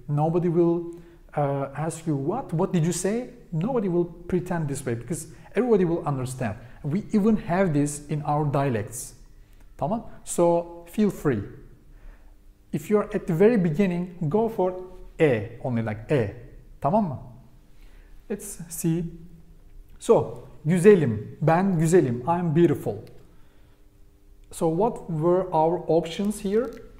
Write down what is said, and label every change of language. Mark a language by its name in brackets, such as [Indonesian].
[English] Nobody will ask you, what did you say? Nobody will pretend this way, because everybody will understand. We even have this in our dialects. [Turkish] Tamam? [English] So feel free. If you are at the very beginning, go for e, only like e. [Turkish] Tamam mı? [English] Let's see. So, [Turkish] güzelim, ben güzelim, [English] I'm beautiful. So what were our options here?